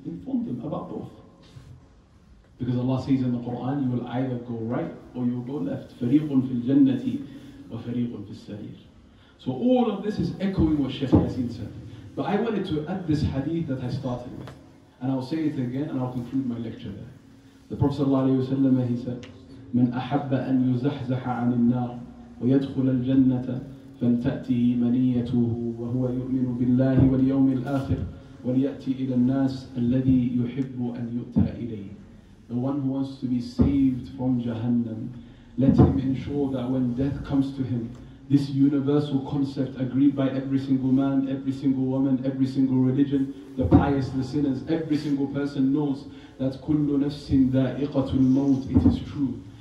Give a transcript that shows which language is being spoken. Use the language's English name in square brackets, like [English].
[English] Inform them about both. Because Allah says in the Quran, you will either go right or you will go left. [Arabic] فَرِيقٌ فِي الْجَنَّةِ وَفَرِيقٌ فِي السَّعِيرِ. [English] So all of this is echoing what Shaykh Yasin said. But I wanted to add this hadith that I started with. And I'll say it again and I'll conclude my lecture there. The Prophet ﷺ, he said, [Arabic] مَنْ أَحَبَّ أَنْ يُزَحْزَحَ عَنِ النَّارِ وَيَدْخُلَ الْجَنَّةَ فلتأتي منيته وهو يؤمن بالله واليوم الآخر وليأتي إلى الناس الذي يحب أن يؤتى إليه. [English] The one who wants to be saved from Jahannam, let him ensure that when death comes to him, this universal concept agreed by every single man, every single woman, every single religion, the pious, the sinners, every single person knows that [Arabic] كل نفس ذائقة الموت. [English] It is true.